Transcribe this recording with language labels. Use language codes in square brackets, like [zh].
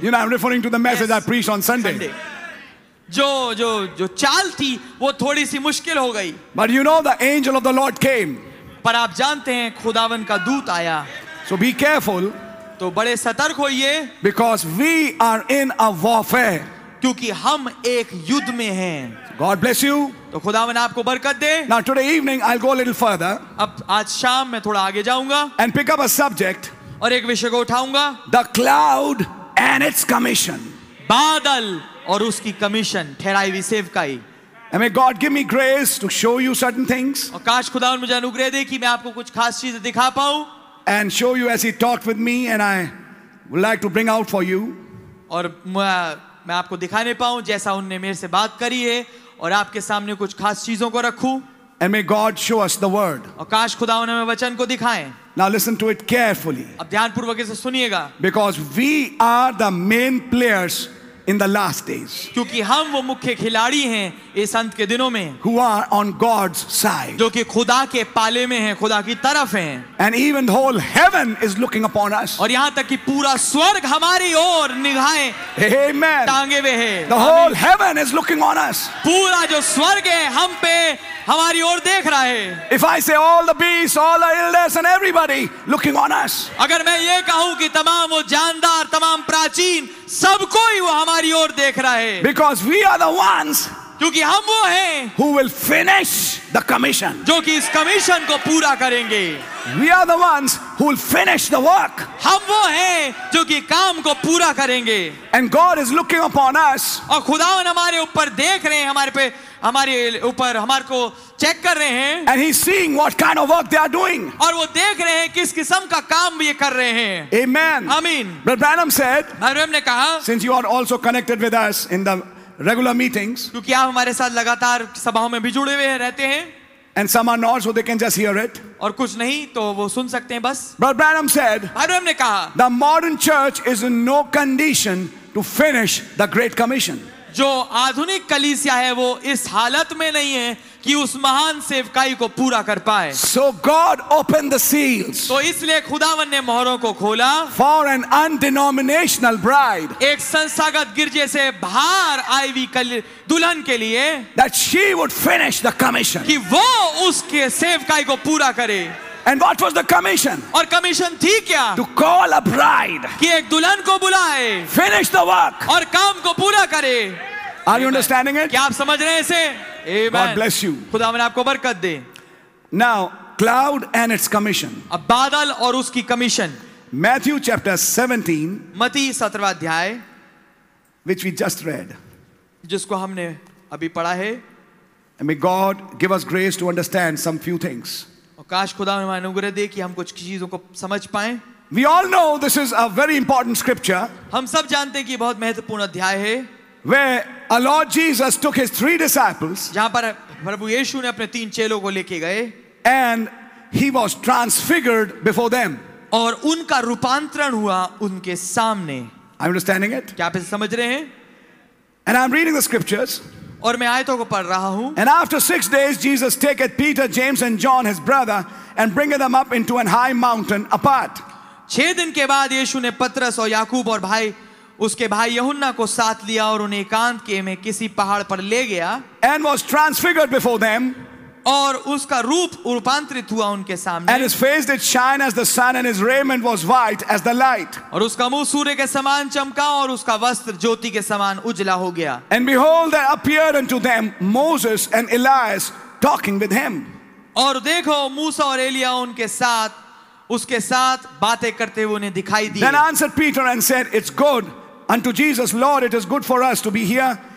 [en] You know, I'm referring to the message. Yes. I preached on Sunday. [hi] जो जो जो चाल थी वो थोड़ी सी मुश्किल हो गई. [en] But you know, the angel of the Lord came. [hi] पर आप जानते हैं खुदावन का दूत आया. [en] So be careful. [hi] तो बड़े सतर्क होइए. [en] Because we are in a warfare. [hi] क्योंकि हम एक युद्ध में हैं. [en] God bless you. [hi] तो खुदावन आपको बरकत दे. [en] Now today evening I'll go a little further. [hi] अब आज शाम मैं थोड़ा आगे जाऊंगा. [en] And pick up a subject. [hi] और एक विषय को उठाऊंगा. [en] The cloud and its commission. [hi] बादल और उसकी कमीशन ठहराई हुई सेवकाई. [en] And may God give me grace to show you certain things. [hi] और काश खुदावन मुझे अनुग्रह दे कि मैं आपको कुछ खास चीजें दिखा पाऊं. [en] And show you as He talked with me, and I would like to bring out for you. [hi] और मैं आपको दिखा नहीं पाऊं जैसा उनने मेरे से बात करी है और आपके सामने कुछ खास चीजों को रखूं. [en] And may God show us the word. [hi] और काश खुदा उन्होंने वचन को दिखाए. [en] Now listen to it carefully. [hi] अब ध्यानपूर्वक इसे सुनिएगा. [en] Because we are the main players in the last days. [hi] क्योंकि हम वो मुख्य खिलाड़ी हैं इस अंत के दिनों में. [en] Who are on God's side. [hi] जो कि खुदा के पाले में हैं, खुदा की तरफ हैं. [en] And even the whole heaven is looking upon us. [hi] और यहाँ तक कि पूरा स्वर्ग हमारी ओर निगाहें [en] Amen. [hi] टांगे हुए हैं. [en] The whole heaven is looking on us. [hi] पूरा जो स्वर्ग है हम पे हमारी ओर देख रहा है. [en] If I say all the beasts, all the elders, and everybody looking on us. [hi] अगर मैं ये कहूँ कि तमाम वो जानदार, तमाम प्राचीन, सब कोई वो हमारी ओर देख रहा है. [en] Because we are the ones. [hi] क्योंकि हम वो हैं. [en] Who will finish the commission? [hi] जो कि इस कमीशन को पूरा करेंगे. [en] We are the ones who will finish the work. [hi] हम वो हैं जो कि काम को पूरा करेंगे. [en] And God is looking upon us. [hi] और खुदा हमारे ऊपर देख रहे हैं, हमारे पे हमारे ऊपर हमारे को चेक कर रहे हैं. [en] And he's seeing what kind of work they are doing. [hi] और वो देख रहे हैं किस किस्म का काम ये कर रहे हैं. [en] Amen. Amen. But Branham said. [hi] Branham ने कहा. [en] Since you are also connected with us in the regular meetings. [hi] क्योंकि आप हमारे साथ लगातार सभाओं में भी जुड़े हुए रहते हैं. [en] And some are not, so they can just hear it. [hi] और कुछ नहीं तो वो सुन सकते हैं बस. [en] But Branham said. [hi] Branham ने कहा. [en] The modern church is in no condition to finish the great commission. [hi] जो आधुनिक कलीसिया है वो इस हालत में नहीं है कि उस महान सेवकाई को पूरा कर पाए. [en] So God opened the seals. [hi] तो इसलिए खुदावन ने मोहरों को खोला. [en] For an undenominational bride. [hi] एक संस्थागत गिरजे से बाहर आई हुई दुल्हन के लिए. [en] That she would finish the commission. [hi] कि वो उसके सेवकाई को पूरा करे. [en] And what was the commission? [hi] और कमीशन थी क्या? [en] To call a bride. [hi] कि एक दुल्हन को बुलाए. [en] Finish the work. [hi] और काम को पूरा करे. [en] Are you understanding it? [hi] क्या आप समझ रहे हैं इसे? [en] Amen. God bless you. [hi] खुदावन्द आपको बरकत दे. [en] Now cloud and its commission. [hi] अब बादल और उसकी कमीशन. [en] Matthew chapter 17. [hi] मत्ती 17वां अध्याय. [en] Which we just read. [hi] जिसको हमने अभी पढ़ा है. [en] And may God give us grace to understand some few things. [hi] काश खुदा हमें अनुग्रह दे कि हम कुछ चीजों को समझ पाएं। [en] We all know this is a very important scripture. [hi] हम सब जानते हैं कि बहुत महत्वपूर्ण अध्याय है। [en] Where our Lord Jesus took his three disciples. [hi] जहाँ पर प्रभु यीशु ने अपने तीन चेलों को लेके गए। [en] And he was transfigured before them. [hi] और उनका रूपांतरण हुआ उनके सामने। [en] I'm understanding it. [hi] क्या आप इसे समझ रहे हैं? [en] And I'm reading the scriptures. [hi] और मैं आयतों को पढ़ रहा हूं. [en] And after 6 days, Jesus taketh Peter, James, and John, his brother, and bringeth them up into an high mountain apart. [hi] 6 दिन के बाद यीशु ने पत्रस और याकूब और भाई उसके भाई यहुन्ना को साथ लिया और उन्हें एकांत के में किसी पहाड़ पर ले गया. [en] And was transfigured before them. [hi] और उसका रूप रूपांतरित हुआ उनके सामने. [en] And his face did shine as the sun, and his raiment was white as the light. [hi] और उसका मुंह सूर्य के समान चमका और उसका वस्त्र ज्योति के समान उजला हो गया. [en] And behold, there appeared unto them Moses and Elias talking with him. [hi] और देखो मूसा और एलिया उसके साथ बातें करते हुए उन्हें दिखाई दिए. [en] Then answered Peter and said, It's good unto Jesus, Lord, it is good for us to be here.